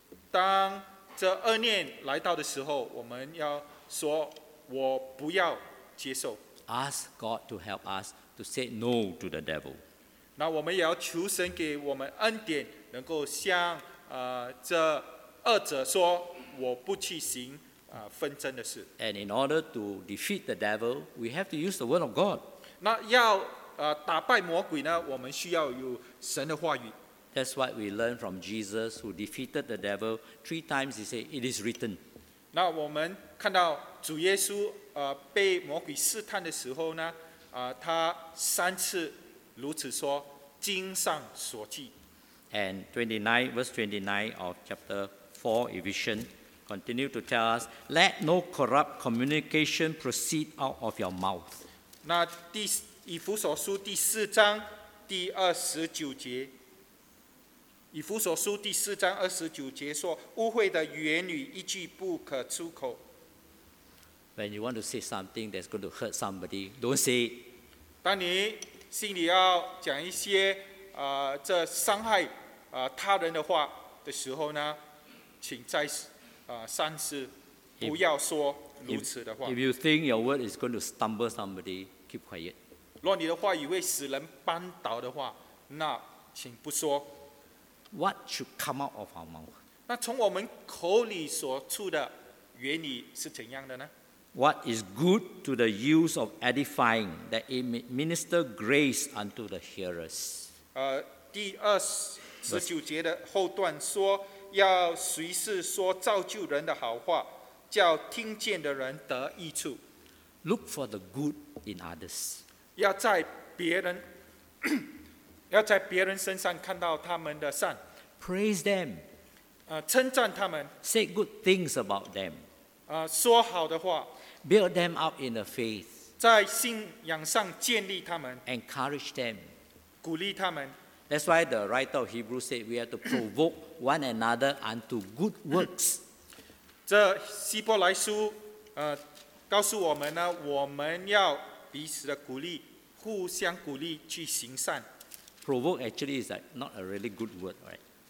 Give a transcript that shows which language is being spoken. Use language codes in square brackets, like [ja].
[zh] 当这恶念来到的时候，我们要说我不要接受。 [en] Ask God to help us to say no to the devil. [zh] 那我们也要求神给我们恩典，能够向这恶者说，我不去行纷争的事。 [en] And in order to defeat the devil, we have to use the word of God. [zh] 那要打败魔鬼呢，我们需要有神的话语。 [en] That's what we learn from Jesus, who defeated the devil three times. He said, "It is written." [zh] 那我们看到主耶稣被魔鬼试探的时候呢，他三次如此说，经上所记。 [en] And 29 verse 29 of chapter 4 Ephesian continue to tell us, "Let no corrupt communication proceed out of your mouth." [zh] 那以弗所书第四章第二十九节，以弗所书第四章二十九节说，污秽的言语一句不可出口。 [en] When you want to say something that's going to hurt somebody, don't say it. [zh] 当你心里要讲一些这伤害他人的话的时候呢，请再三思，不要说如此的话。 [en] If you think your word is going to stumble somebody, keep quiet. [zh] 若你的话语会使人绊倒的话，那请不说。 [en] What should come out of our mouth? [zh] 那从我们口里所出的言语是怎样的呢？ [en] What is good to the use of edifying, that it minister grace unto the hearers? [zh] 第二十九节的后段说，要随时说造就人的好话，叫听见的人得益处。 [en] Look for the good in others. [zh] 要在别人身上看到他们的善。 [en] Praise them. [zh] 称赞他们。 [en] Say good things about them. [zh] 说好的话。 [en] Build them up in the faith. [zh] 在信仰上建立他们。 [en] Encourage them. [zh] 鼓励他们。 [en] That's why the writer of Hebrews said we have to provoke one another unto good works. [zh] 这希伯来书，告诉我们呢，我们要彼此的鼓励，互相鼓励去行善。 [en] Provoke actually is like not a really good word, right?